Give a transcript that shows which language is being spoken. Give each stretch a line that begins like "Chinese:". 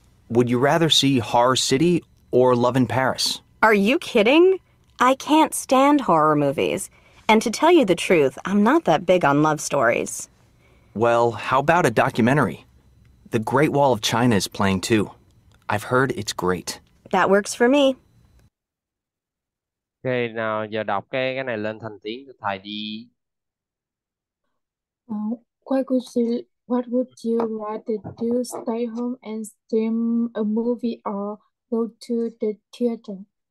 English: Would you rather see Horror City or Love in Paris? Are you kidding? I can't stand horror movies. And to tell you the truth, I'm not that big on love stories. Well, how about a documentary? The Great Wall of China is playing too. I've heard it's great. That works for me.
Vietnamese: Ok, nào giờ đọc cái này lên thành tiếng cho thầy đi.
English: What would you rather do, stay home and stream a movie or go to the theater?